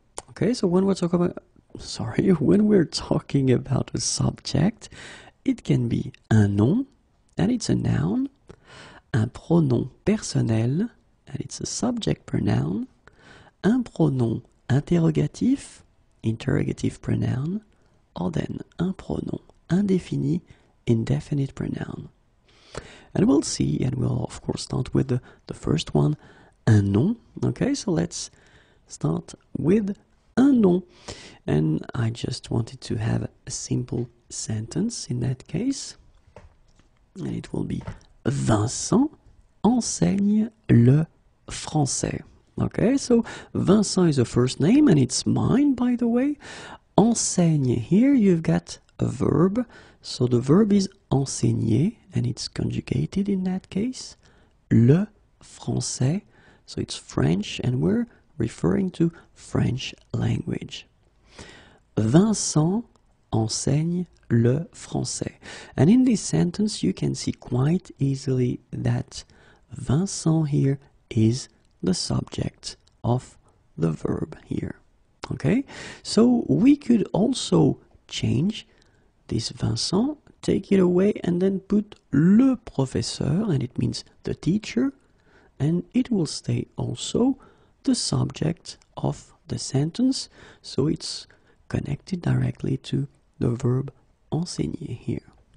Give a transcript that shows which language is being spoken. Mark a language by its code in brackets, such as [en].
[en] Okay, so when we're talking about, sorry, when we're talking about a subject, it can be [fr] un nom, [en] and it's a noun, [fr] un pronom personnel, [en] and it's a subject pronoun, [fr] un pronom interrogatif, [en] interrogative pronoun, or then [fr] un pronom indéfini, [en] indefinite pronoun. And we'll see, and we'll of course start with the first one, [fr] un nom. [en] Okay, so let's start with un nom. And I just wanted to have a simple sentence in that case. And it will be [fr] Vincent enseigne le français. [en] Okay, so Vincent is a first name and it's mine, by the way. Enseigne, here you've got a verb. So the verb is enseigner and it's conjugated in that case. [fr] Le français, [en] so it's French and we're referring to French language. [fr] Vincent enseigne le français. [en] And in this sentence, you can see quite easily that Vincent here is the subject of the verb here. Okay, so we could also change this Vincent, take it away and then put [fr] le professeur, [en] and it means the teacher, and it will stay also the subject of the sentence, so it's connected directly to the verb enseigner here.